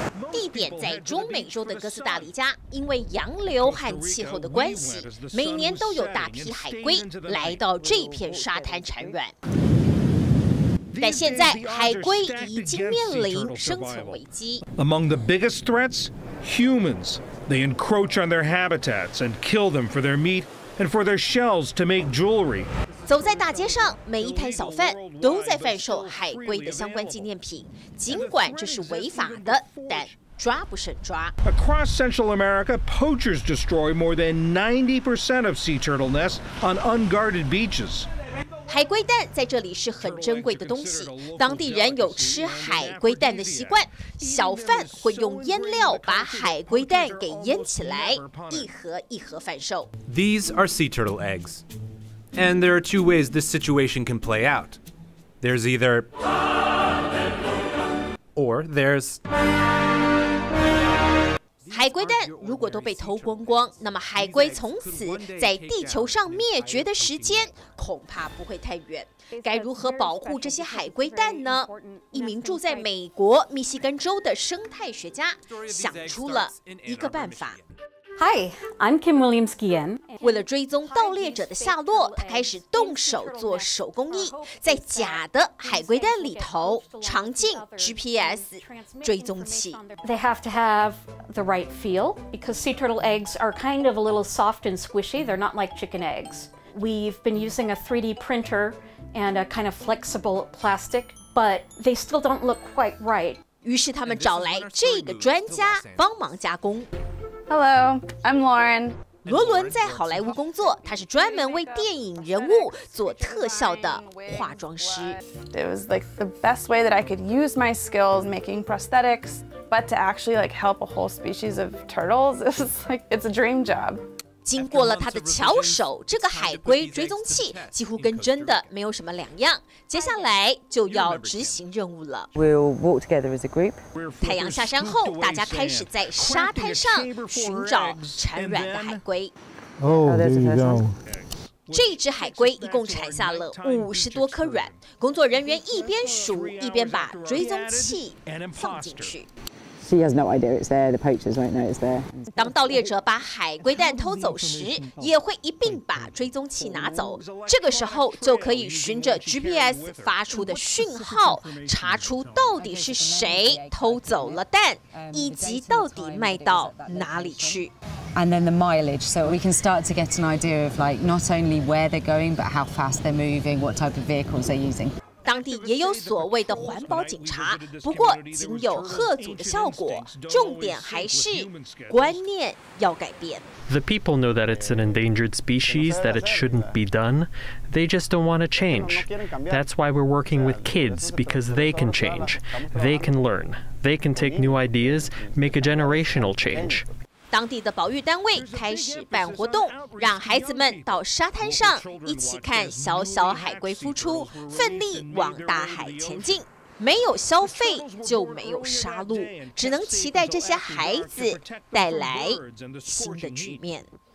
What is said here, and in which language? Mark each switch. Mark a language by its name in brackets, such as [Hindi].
[Chinese] 地点在中美洲的哥斯达黎加，因为洋流和气候的关系，每年都有大批海龟来到这片沙滩产卵。但现在海龟已经面临生存危机。 [English] Among the biggest threats, humans. They encroach on their habitats and kill them for their meat and for their shells to make jewelry. [Chinese] 走在大街上，每一摊小贩都在贩售海龟的相关纪念品，尽管这是违法的，但抓不胜抓。 [English] Across Central America, poachers destroy more than 90% of sea turtle nests on unguarded beaches. [Chinese] 海龟蛋在这里是很珍贵的东西，当地人有吃海龟蛋的习惯，小贩会用腌料把海龟蛋给腌起来，一盒一盒贩售。 [English] These are sea turtle eggs, and there are two ways this situation can play out. There's either or there's [Chinese] 海龟蛋如果都被偷光光，那么海龟从此在地球上灭绝的时间恐怕不会太远。该如何保护这些海龟蛋呢？一名住在美国密西根州的生态学家想出了一个办法。 [English] Hi, I'm Kim Williams-Gian. [Chinese] 为了追踪盗猎者的下落，他开始动手做手工艺，在假的海龟蛋里头藏进 GPS 追踪器。 [English] They have to have the right feel because sea turtle eggs are kind of a little soft and squishy. They're not like chicken eggs. We've been using a 3D printer and a kind of flexible plastic, but they still don't look quite right. [Chinese] 于是他们找来这个专家帮忙加工。 [English] Hello, I'm Lauren. [Chinese] 罗伦在好莱坞工作，他是专门为电影人物做特效的化妆师。 [English] It was like the best way that I could use my skills making prosthetics, but to actually like help a whole species of turtles, it's a dream job. [Chinese] 经过了他的巧手，这个海龟追踪器几乎跟真的没有什么两样。接下来就要执行任务了。 [English] We'll walk together as a group. [Chinese] 太阳下山后，大家开始在沙滩上寻找产卵的海龟。 [English] Oh, there you go. [Chinese] 这只海龟一共产下了50多颗卵。工作人员一边数，一边把追踪器放进去。 [English] She has no idea it's there. The poachers won't know it's there. [Chinese] 当盗猎者把海龟蛋偷走时，也会一并把追踪器拿走。这个时候就可以循着 GPS 发出的讯号，查出到底是谁偷走了蛋，以及到底卖到哪里去。 [English] And then the mileage, so we can start to get an idea of like not only where they're going, but how fast they're moving, what type of vehicles they're using. [Chinese] 当地也有所谓的环保警察，不过仅有吓阻的效果，重点还是观念要改变。 [English] The people know that it's an endangered species, that it shouldn't be done. They just don't want to change. That's why we're working with kids, because they can change. They can learn. They can take new ideas, make a generational change. [Chinese] 当地的保育单位开始办活动，让孩子们到沙滩上一起看小小海龟孵出，奋力往大海前进。没有消费就没有杀戮，只能期待这些孩子带来新的局面。